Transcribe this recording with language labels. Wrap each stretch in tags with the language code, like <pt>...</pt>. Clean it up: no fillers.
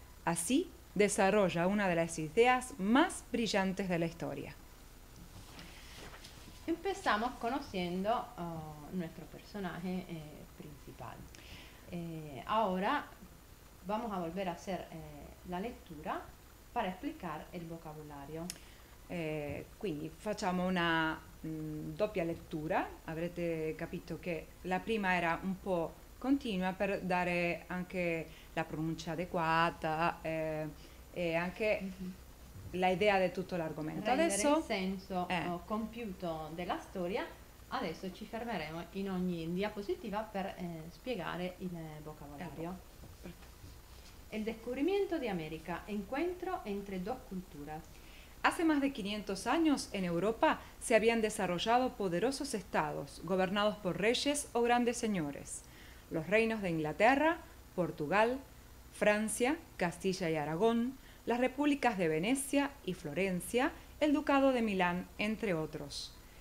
<es>Así desarrolla una de las ideas más brillantes de la historia. Empezamos conociendo nuestro personaje principal. Ahora vamos a volver a hacer la lectura para explicar el vocabulario.</es> <it>Quindi facciamo una doppia lettura. Avrete capito che la prima era un po' continua per dare anche la pronuncia adeguata e anche la idea di tutto l'argomento. Rendere adesso il senso compiuto della storia Adesso ci fermeremo in ogni diapositiva per spiegare il vocabolario.</it> <es>El descubrimiento de América, encuentro entre dos culturas. Hace más de 500 años, en Europa, se habían desarrollado poderosos estados, gobernados por reyes o grandes señores. Los reinos de Inglaterra, Portugal, Francia, Castilla y Aragón, las repúblicas de Venecia y Florencia, el ducado de Milán, entre otros.</es>